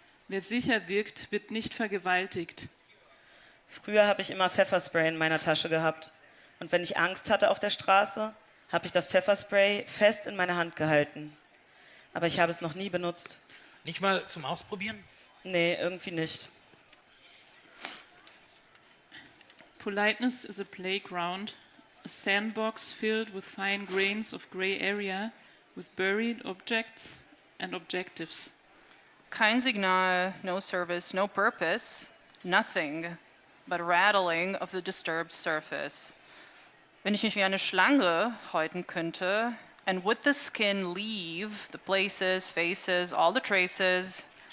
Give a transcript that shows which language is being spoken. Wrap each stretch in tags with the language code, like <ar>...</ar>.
<de>Wer sicher wirkt, wird nicht vergewaltigt. Früher habe ich immer Pfefferspray in meiner Tasche gehabt. Und wenn ich Angst hatte auf der Straße, habe ich das Pfefferspray fest in meine Hand gehalten. Aber ich habe es noch nie benutzt. Nicht mal zum Ausprobieren? Nee, irgendwie nicht.</de> <en>Politeness is a playground, a sandbox filled with fine grains of gray area, with buried objects and objectives.</en> <de>Kein Signal,</de> <en>no service, no purpose, nothing but rattling of the disturbed surface.</en> <de>Wenn ich mich wie eine Schlange häuten könnte,</de> <en>and with the skin leave the places, faces, all the traces.</en>